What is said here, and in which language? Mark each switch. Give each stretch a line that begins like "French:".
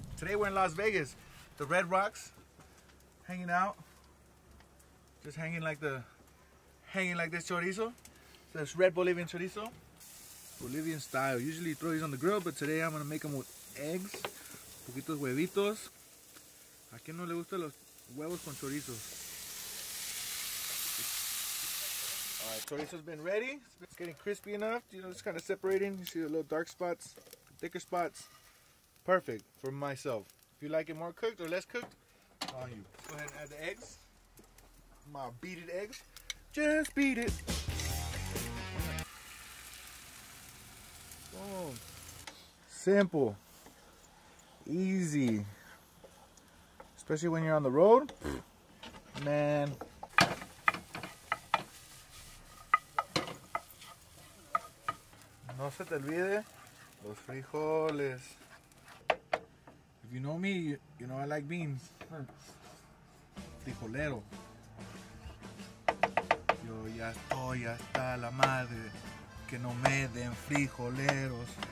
English: Today we're in Las Vegas, the Red Rocks, hanging out. Just hanging like this chorizo. So this red Bolivian chorizo. Bolivian style. Usually throw these on the grill, but today I'm gonna make them with eggs.
Spanish: Poquitos huevitos. ¿A quién no le gustan los huevos con chorizo?
English: All right, chorizo's been ready. It's getting crispy enough. You know, it's kind of separating. You see the little dark spots, thicker spots. Perfect for myself. If you like it more cooked or less cooked, on you. Go ahead and add the eggs. My beaded eggs. Just beat it. Boom. Simple. Easy. Especially when you're on the road. Man.
Spanish: No se te olvide los frijoles.
English: If you know me, you know I like beans.
Spanish: Frijolero. Yo ya estoy hasta la madre que no me den frijoleros.